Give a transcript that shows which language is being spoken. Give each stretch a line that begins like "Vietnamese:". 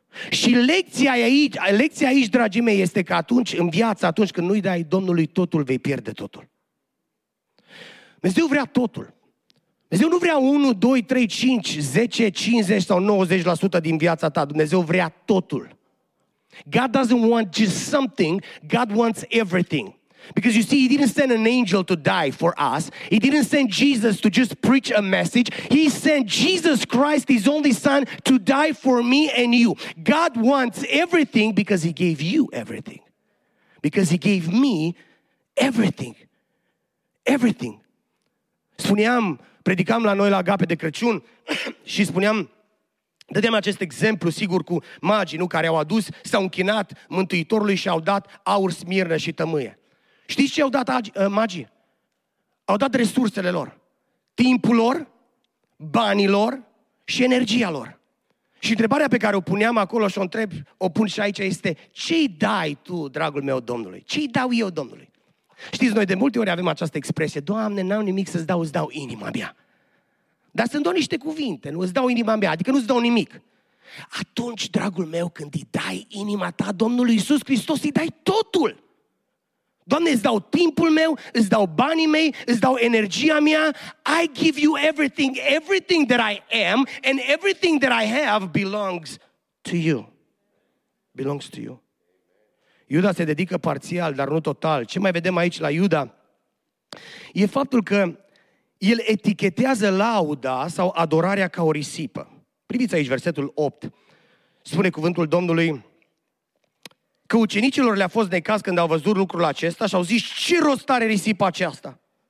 Romanian: Și lecția aici, dragii mei, este că atunci, în viață, atunci când nu-i dai Domnului totul, vei pierde totul. Dumnezeu vrea totul. Dumnezeu nu vrea 1, 2, 3, 5, 10, 50 sau 90% din viața ta. Dumnezeu vrea totul.
English: God doesn't want just something, God wants everything. Because you see, he didn't send an angel to die for us. He didn't send Jesus to just preach a message. He sent Jesus Christ, his only son, to die for me and you. God wants everything because he gave you everything. Because he gave me everything. Everything.
Romanian: Spuneam, predicam la noi la Agape de Crăciun și spuneam, dădeam acest exemplu, sigur, cu magii, nu, care au adus, s-au închinat Mântuitorului și au dat aur, smirnă și tămâie. Știți ce au dat magii? Au dat resursele lor, timpul lor, banii lor și energia lor. Și întrebarea pe care o puneam acolo și o întreb, o pun și aici, este: ce-i dai tu, dragul meu, Domnului? Ce-i dau eu Domnului? Știți, noi de multe ori avem această expresie: Doamne, n-am nimic să-ți dau, îți dau inima mea. Dar sunt doar niște cuvinte, nu îți dau inima mea, adică nu-ți dau nimic. Atunci, dragul meu, când îi dai inima ta Domnului Iisus Hristos, îi dai totul. Doamne, îți dau timpul meu, îți dau banii mei, îți dau energia mea.
English: I give you everything, everything that I am and everything that I have belongs to you. Belongs to you.
Romanian: Iuda se dedică parțial, dar nu total. Ce mai vedem aici la Iuda? E faptul că el etichetează lauda sau adorarea ca o risipă. Priviți aici versetul 8. Spune cuvântul Domnului că ucenicilor le-a fost necaz când au văzut lucrul acesta și au zis: ce rost are risipa aceasta?